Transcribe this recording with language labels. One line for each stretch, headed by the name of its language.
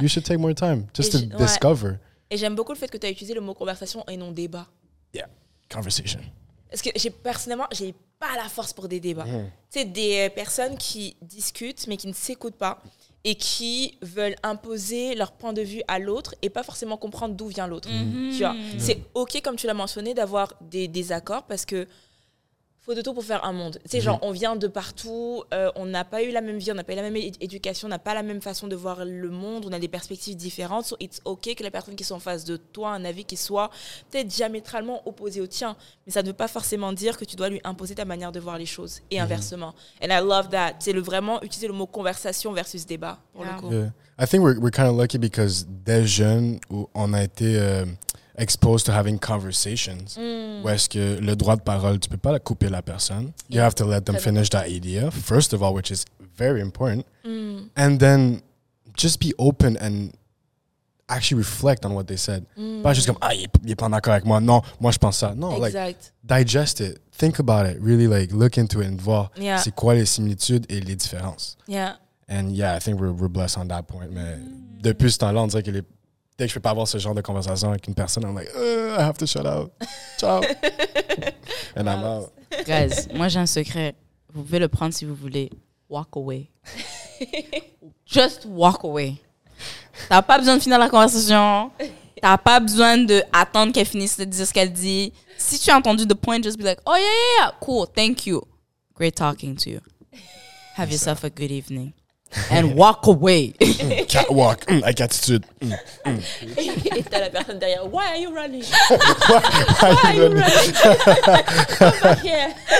English: You should take more time just to discover.
French: Et j'aime beaucoup le fait que t'as utilisé le mot conversation et non débat.
English: Yeah. Conversation.
French: Parce que j'ai personnellement pas la force pour des débats. Mmh. C'est des personnes qui discutent mais qui ne s'écoutent pas et qui veulent imposer leur point de vue à l'autre et pas forcément comprendre d'où vient l'autre. Mmh. Tu vois, c'est ok, comme tu l'as mentionné, d'avoir des désaccords parce que faut de tout pour faire un monde. C'est genre, on vient de partout, on n'a pas eu la même vie, on n'a pas eu la même éducation, on n'a pas la même façon de voir le monde, on a des perspectives différentes.
English: So it's ok
French: que la personne qui soit en face de toi ait un avis qui soit peut-être diamétralement opposé au tien. Mais ça ne veut pas forcément dire que tu dois lui imposer ta manière de voir les choses. Et inversement.
English: And I love that.
French: C'est vraiment utiliser le mot conversation versus débat. Pour le coup.
English: Yeah. I think we're kind of lucky because
French: dès jeune, on a été...
English: exposed to having conversations.
French: Mm. Où est-ce que le droit de parole, tu peux pas la couper la personne.
English: Yeah. You have to let them finish that idea, first of all, which is very important. Mm. And then just be open and actually reflect on what they said. Mm.
French: Pas juste comme, ah, il est pas d'accord avec moi. Non, moi je pense ça. Non, exact.
English: Like, digest it. Think about it. Really, like, look into it and
French: voir c'est quoi les similitudes et les différences.
English: Yeah. And yeah, I think we're blessed on that point.
French: Mais depuis ce temps-là, on dirait que les... Dès que je ne peux pas avoir ce genre de conversation avec une personne,
English: I'm like, I have to shut out. Ciao. And I'm out.
French: Guys, moi j'ai un secret. Vous pouvez le prendre si vous voulez.
English: Walk away. Just walk away.
French: Tu n'as pas besoin de finir la conversation. Tu n'as pas besoin d'attendre qu'elle finisse de dire ce qu'elle dit. Si tu as entendu
English: the point, just be like, oh yeah, yeah, yeah, cool, thank you. Great talking to you. Have yourself a good evening. And walk away.
French: Catwalk. Avec attitude. Et t'as la personne derrière.
English: Why are you running? Why are you running? Come back here.